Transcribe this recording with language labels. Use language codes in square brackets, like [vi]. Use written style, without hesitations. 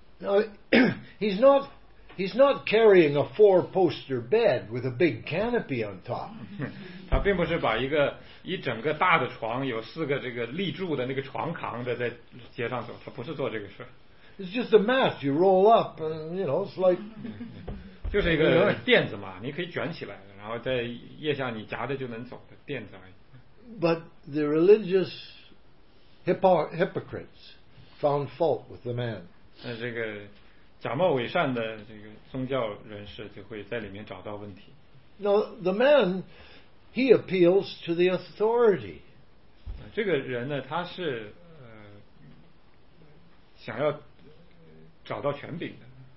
[en] Now, he's not carrying a four-poster bed with a big canopy on top. [zh] 他并不是把一整个大的床，有四个这个立柱的那个床扛着在街上走，他不是做这个事。 [en] It's just a mat you roll up, and you know, it's like [zh] 就是一个垫子嘛，你可以卷起来，然后在腋下你夹着就能走的垫子而已。 [en] But the religious hypocrites found fault with the man. [zh] 那这个假冒伪善的这个宗教人士就会在里面找到问题。 [en] Now the man, he appeals to the authority. [zh] 这个人呢，他是想要找到权柄的。